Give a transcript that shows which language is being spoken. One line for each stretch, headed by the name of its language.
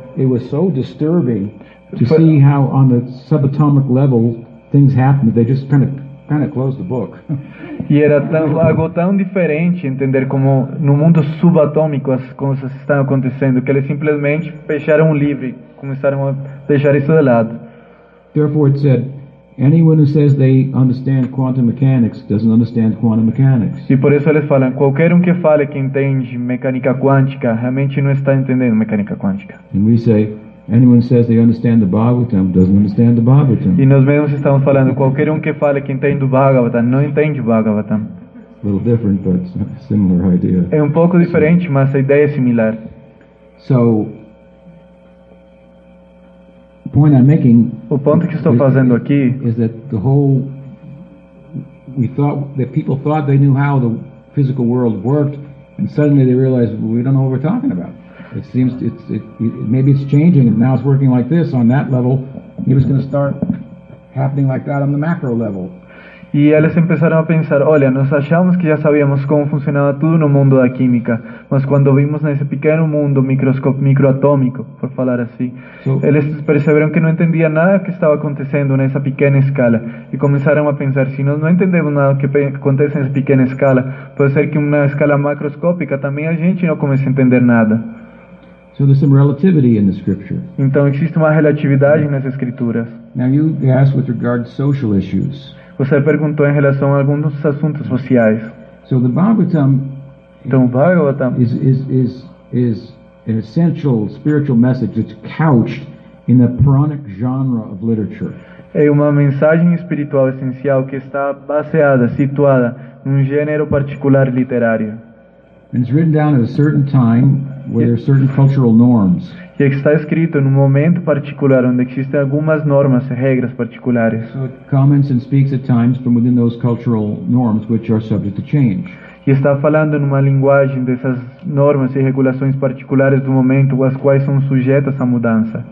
English: it was so disturbing to see how on the subatomic level things happened. They just kind of closed the book.
Portuguese: E era algo tão diferente entender como no mundo subatômico as coisas estão acontecendo que eles simplesmente fecharam um livro, começaram a deixar isso de lado.
English: Therefore, it said, anyone who says they understand quantum mechanics doesn't understand quantum mechanics.
Portuguese: E por isso eles falam, qualquer um que fale que entende mecânica quântica realmente não está entendendo mecânica quântica.
English: And we say, anyone who says they understand the Bhagavatam doesn't understand the Bhagavatam.
Portuguese: E nós mesmos estamos falando, qualquer um que fale que entende o Bhagavatam não entende o Bhagavatam.
English: A little different, but similar idea.
Portuguese: É um pouco diferente, mas a ideia é similar.
English: So, point I'm making,
Portuguese: o ponto que estou fazendo aqui
English: is that the whole, we thought that people thought they knew how the physical world worked, and suddenly they realized, well, we don't know what we're talking about. It seems maybe it's changing, and now it's working like this on that level. Maybe it's going to start happening like that on the macro level.
Portuguese: E eles começaram a pensar, olha, nós achamos que já sabíamos como funcionava tudo no mundo da química, mas quando vimos nesse pequeno mundo microatômico, por falar assim, so, eles perceberam que não entendiam nada que estava acontecendo nessa pequena escala, e começaram a pensar, se nós não entendemos nada que acontece nessa pequena escala, pode ser que em uma escala macroscópica também a gente não comece a entender nada.
English: So there's some relativity in the scripture.
Portuguese: Então existe uma relatividade nas escrituras.
English: Now you asked with regard to social issues.
Portuguese: Você perguntou em relação a alguns assuntos sociais.
English: So the Bhagavatam,
Portuguese: então o Bhagavatam
English: is an essential spiritual message that's couched in the Puranic genre of literature.
Portuguese: É uma mensagem espiritual essencial que está baseada, situada num gênero particular literário.
English: And it's written down at a certain time where there are certain cultural norms.
Portuguese: E está escrito num momento particular onde existem algumas normas e regras particulares.
English: So it comments and speaks at times from within those cultural norms which are subject to change.
Portuguese: E está falando numa linguagem dessas normas e regulações particulares do momento as quais são sujeitas à mudança.